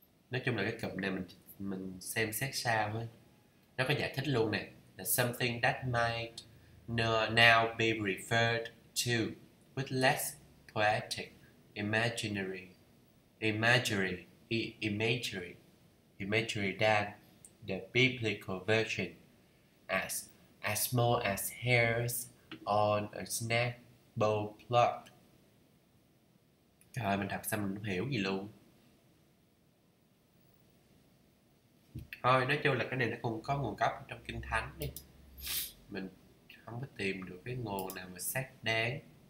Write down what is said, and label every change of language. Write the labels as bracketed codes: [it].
[vi] Nói chung là cái cụm này mình xem xét sao ấy. Nó có giải thích luôn nè, là [en] something that might now be referred to with less poetic imagery than the biblical version, as small as hairs on a snake bone plot. [vi] Trời ơi, mình đọc xong mình không hiểu gì luôn. Thôi, nói chung là cái này nó không có nguồn gốc trong Kinh Thánh đi. Mình không có tìm được cái nguồn nào mà xác đáng.